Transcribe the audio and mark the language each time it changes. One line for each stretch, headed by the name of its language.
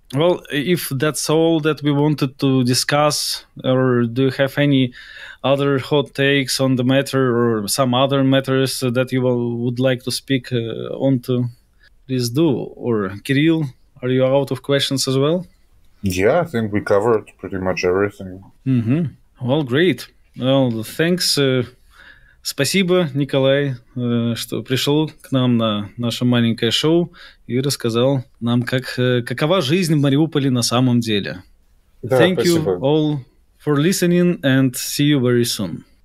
English: Well, if that's all that we wanted to discuss, or do you have any other hot takes on the matter or some other matters that you would like to speak on to? Please do. Or Kirill, are you out of questions as well? Yeah, I think we covered pretty much everything. Mm-hmm. Well, great. Well, thanks.
Russian: Спасибо, Николай, что пришел к нам на наше маленькое шоу и рассказал нам, какова жизнь в Мариуполе на самом деле. Да,
English: Thank
Russian: спасибо.
English: You all for listening, and see you very soon.